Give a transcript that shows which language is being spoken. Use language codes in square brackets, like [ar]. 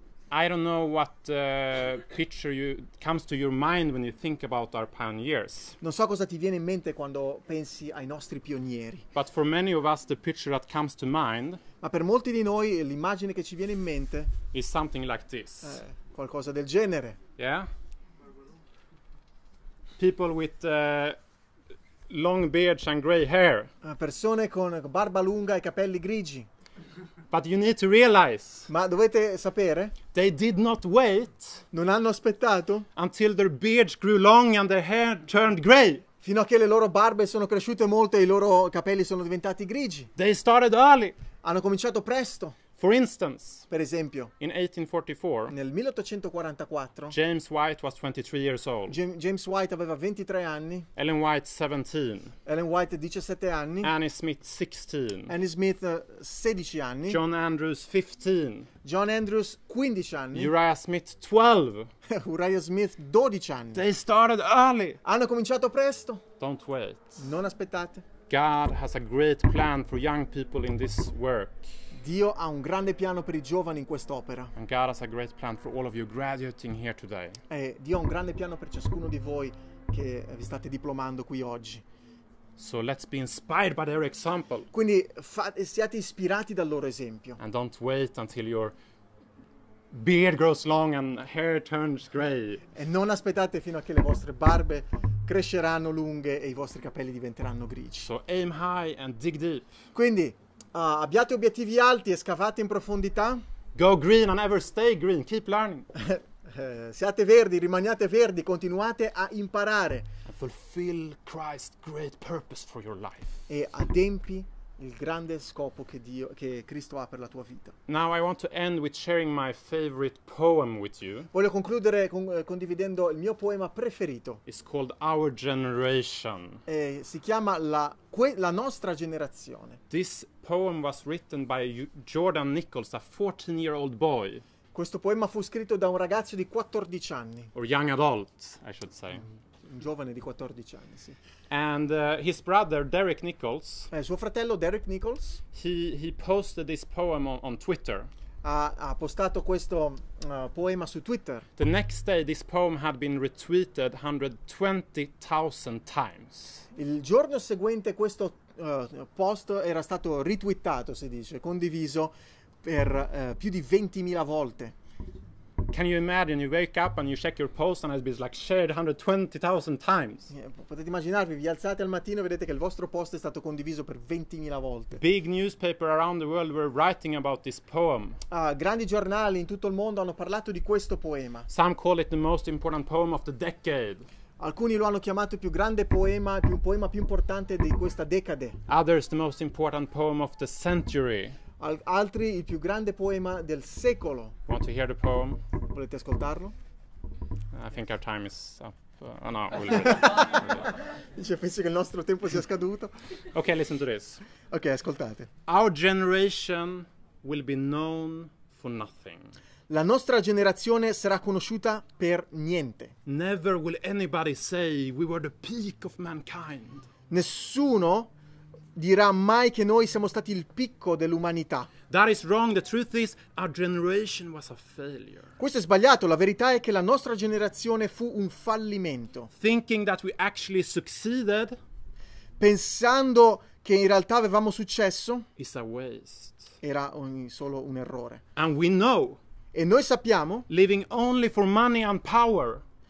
[en] I don't know what picture you comes to your mind when you think about our pioneers. [it] Non so cosa ti viene in mente quando pensi ai nostri pionieri. [en] But for many of us the picture that comes to mind. [it] Ma per molti di noi l'immagine che ci viene in mente [en] is something like this. [it] Qualcosa del genere. [en] Yeah. People with long beards and gray hair. [it] Persone con barba lunga e capelli grigi. [en] But you need to realize. [it] Ma dovete sapere. [en] They did not wait. [it] Non hanno aspettato. [en] Until their beards grew long and their hair turned gray. [it] Fino a che le loro barbe sono cresciute molto e i loro capelli sono diventati grigi. [en] They started early. [it] Hanno cominciato presto. [en] For instance. [it] Per esempio. [en] In 1844. [it] Nel 1844. [en] James White was 23 years old. [it] James White aveva 23 anni. [en] Ellen White 17. [it] Ellen White 17 anni. [en] Annie Smith 16. [it] Annie Smith 16 anni. [en] John Andrews 15. [it] John Andrews 15 anni. [en] Uriah Smith 12. [it] Uriah Smith 12 anni. [en] They started early. [it] Hanno cominciato presto. [en] Don't wait. [it] Non aspettate. [en] God has a great plan for young people in this work. [it] Dio ha un grande piano per i giovani in quest'opera. [en] And God has a great plan for all of you graduating here today. [it] E Dio ha un grande piano per ciascuno di voi che vi state diplomando qui oggi. [en] So let's be inspired by their example. [it] Quindi siate ispirati dal loro esempio. [en] And don't wait until your beard grows long and hair turns gray. [it] E non aspettate fino a che le vostre barbe cresceranno lunghe e i vostri capelli diventeranno grigi. [en] So aim high and dig deep. [it] Quindi abbiate obiettivi alti e scavate in profondità. [en] Go green and ever stay green. Keep learning. [it] Siate verdi, rimaniate verdi, continuate a imparare. [en] And fulfill Christ's great purpose for your life. [it] E adempi il grande scopo che Cristo ha per la tua vita. [en] Now I want to end with sharing my favorite poem with you. [it] Voglio concludere condividendo il mio poema preferito. [en] It's called Our Generation. [it] E si chiama la nostra generazione. [en] This poem was written by Jordan Nichols, a 14-year-old boy. [it] Questo poema fu scritto da un ragazzo di 14 anni. [en] Or young adult, I should say. [it] Un giovane di 14 anni, sì. [en] And his brother Derek Nichols. [it] Suo fratello Derek Nichols. [en] He posted this poem on Twitter. [it] Ha postato questo poema su Twitter. [en] The next day this poem had been retweeted 120,000 times. [it] Il giorno seguente questo post era stato retweetato, si dice, condiviso per più di 20,000 volte. [en] Can you imagine? You wake up and you check your post and it's been like shared 120,000 times. [it] Potete immaginarvi, vi alzate al mattino e vedete che il vostro post è stato condiviso per 20,000 volte. [en] Big newspaper around the world were writing about this poem. [it] Grandi giornali in tutto il mondo hanno parlato di questo poema. [en] Some call it the most important poem of the decade. [it] Alcuni lo hanno chiamato il più grande poema, il poema più importante di questa decade. [en] Others the most important poem of the century. [it] Altri il più grande poema del secolo. [en] Want to hear the poem? [it] Volete ascoltarlo? [en] think our time is up. Oh no, [it] dice, penso che il nostro tempo sia scaduto. [en] Okay, listen to this. [it] Okay, ascoltate. [en] Our generation will be known for nothing. [it] La nostra generazione sarà conosciuta per niente. [en] Never will anybody say we were the peak of mankind. [it] Nessuno dirà mai che noi siamo stati il picco dell'umanità. [en] That is wrong. The truth is our generation was a failure. [it] Questo è sbagliato. La verità è che la nostra generazione fu un fallimento. [en] Thinking that we actually succeeded, [it] pensando che in realtà avevamo successo, [en] is a waste. [it] Era solo un errore. [en] And we know, [it] e noi sappiamo, [en] living only for money and power,